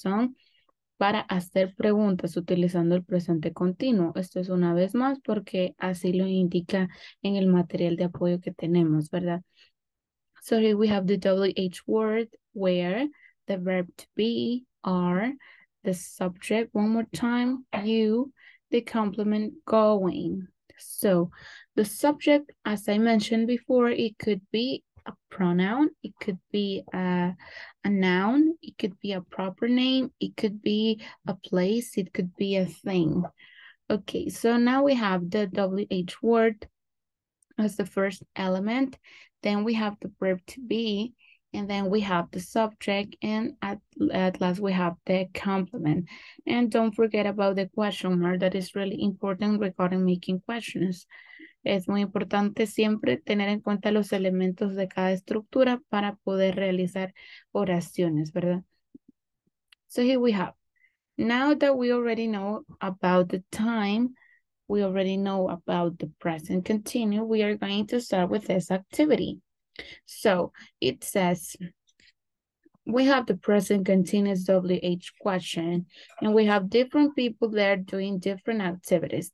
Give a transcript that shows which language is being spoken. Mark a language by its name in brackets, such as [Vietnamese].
[Spanish] So, para hacer preguntas utilizando el presente continuo. Esto es una vez más porque así lo indica en el material de apoyo que tenemos, ¿verdad? [English] So here we have the WH word, where, the verb to be, are, the subject, one more time, you, the complement, going. So the subject, as I mentioned before, it could be a pronoun, it could be a noun, it could be a proper name, it could be a place, it could be a thing. Okay, so now we have the WH word as the first element, then we have the verb to be, and then we have the subject, and at last we have the complement. And don't forget about the question mark, that is really important regarding making questions. [Spanish] Es muy importante siempre tener en cuenta los elementos de cada estructura para poder realizar oraciones, ¿verdad? [English] So here we have. Now that we already know about the time, we already know about the present continuous, we are going to start with this activity. So it says, we have the present continuous WH question, and we have different people there doing different activities.